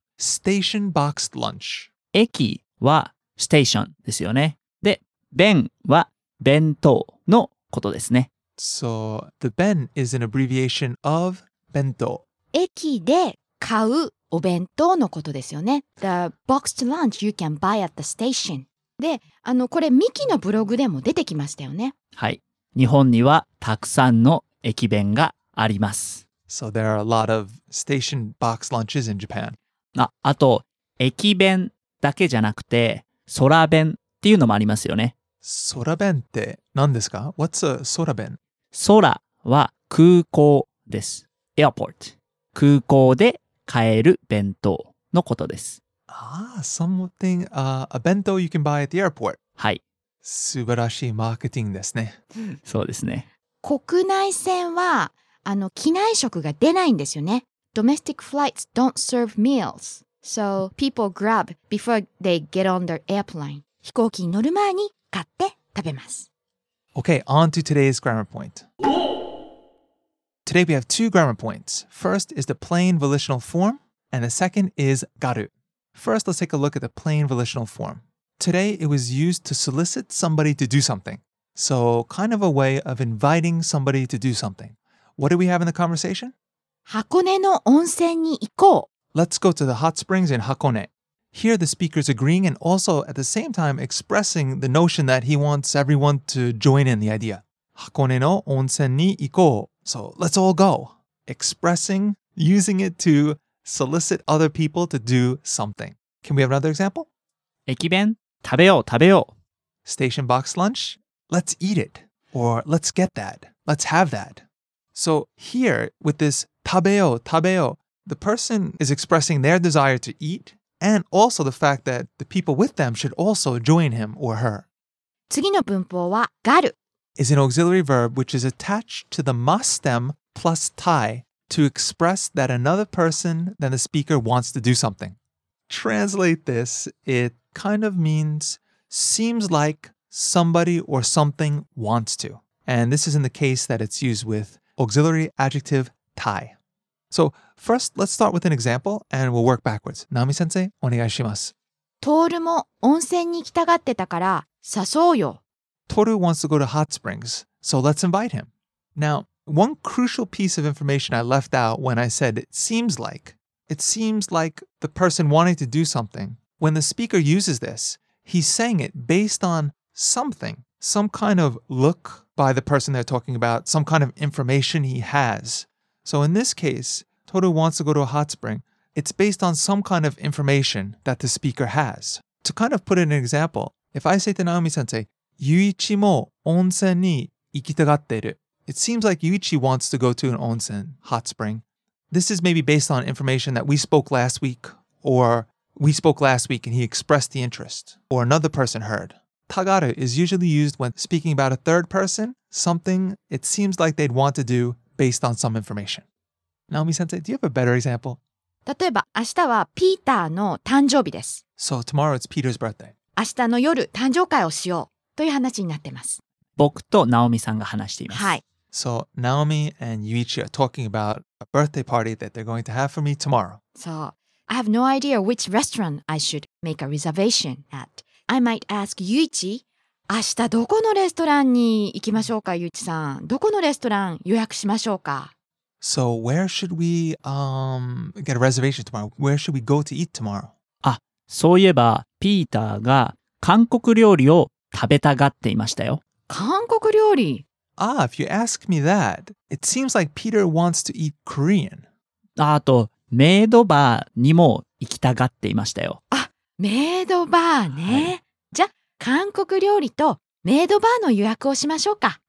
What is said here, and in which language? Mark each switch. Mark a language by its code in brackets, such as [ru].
[en] Station boxed lunch. [ja] 駅はステーションですよね。で、弁は弁当のことですね。 [en] So, the 弁 is an abbreviation of 弁当。 [ja] 駅で買うお弁当のことですよね。 [en] The boxed lunch you can buy at the station. [ja] で、これミキのブログでも出てきましたよね。はい。日本にはたくさんの駅弁があります。 [en] So there are a lot of station box lunches in Japan. [ja] あと、駅弁だけじゃなくて、空弁っていうのもありますよね。空弁って何ですか? [en] What's a 空弁? [ja] 空は空港です。Airport。空港で買える弁当のことです。 [en] Ah, something, a 弁当 you can buy at the airport. [ja] はい。素晴らしいマーケティングですね。そうですね。国内線は機内食が出ないんですよね。 [en] Domestic flights don't serve meals. So people grab before they get on their airplane. 飛行機に乗る前に買って食べます。 Okay, on to today's grammar point. Today we have two grammar points. First is the plain volitional form, and the second is garu. First, let's take a look at the plain volitional form. Today, it was used to solicit somebody to do something. So, kind of a way of inviting somebody to do something. What do we have in the conversation? [ja] Hakone no onsen ni iko. [en] Let's go to the hot springs in Hakone. Here, the speaker's agreeing and also at the same time expressing the notion that he wants everyone to join in the idea. [ja] Hakone no onsen ni iko. [en] So, let's all go. Expressing, using it to solicit other people to do something. Can we have another example? [ja] 駅弁、食べよう、食べよう。 [en] Station box lunch? Let's eat it. Or let's get that. Let's have that. So here, with this [ja] 食べよう、食べよう, [en] the person is expressing their desire to eat and also the fact that the people with them should also join him or her. [ja] 次の文法は、がる。 [en] is an auxiliary verb which is attached to the ma stem plus tai to express that another person than the speaker wants to do something. Translate this, it kind of means seems like somebody or something wants to. And this is in the case that it's used with auxiliary adjective tai. So first, let's start with an example and we'll work backwards. [ja] Nami-sensei, お願いします。 Toru も温泉に行きたがってたから誘うよ。 [en] Toru wants to go to hot springs, so let's invite him. Now, one crucial piece of information I left out when I said it seems like the person wanting to do something. When the speaker uses this, he's saying it based on something, some kind of look by the person they're talking about, some kind of information he has. So in this case, Toru wants to go to a hot spring. It's based on some kind of information that the speaker has. To kind of put it in an example, if I say to Naomi-sensei, [ja] Yuichi mo onsen ni ikitagatteru. [en] It seems like Yuichi wants to go to an onsen, hot spring. This is maybe based on information that we spoke last week or... We spoke last week and he expressed the interest, or another person heard. Tagaru is usually used when speaking about a third person, something it seems like they'd want to do based on some information. Naomi-sensei, do you have a better example? [ja] 例えば、明日はピーターの誕生日です。 [en] So tomorrow it's Peter's birthday. [ja] 明日の夜、誕生会をしようという話になっています。僕と Naomi さんが話しています。はい。 [en] So Naomi and Yuichi are talking about a birthday party that they're going to have for me tomorrow. [ja] そう。 [en] I have no idea which restaurant I should make a reservation at. I might ask Yuichi, [ja] 明日どこのレストランに行きましょうか、Yuichi-san? どこのレストラン予約しましょうか? [en] So where should we get a reservation tomorrow? Where should we go to eat tomorrow? [ja] あ、そういえば、ピーターが韓国料理を食べたがっていましたよ。韓国料理? [en] Ah, if you ask me that, it seems like Peter wants to eat Korean. [ja] あと、メイドバーにも行きたがっていましたよ。あ、メイドバーね。はい、じゃあ、韓国料理とメイドバーの予約をしましょうか。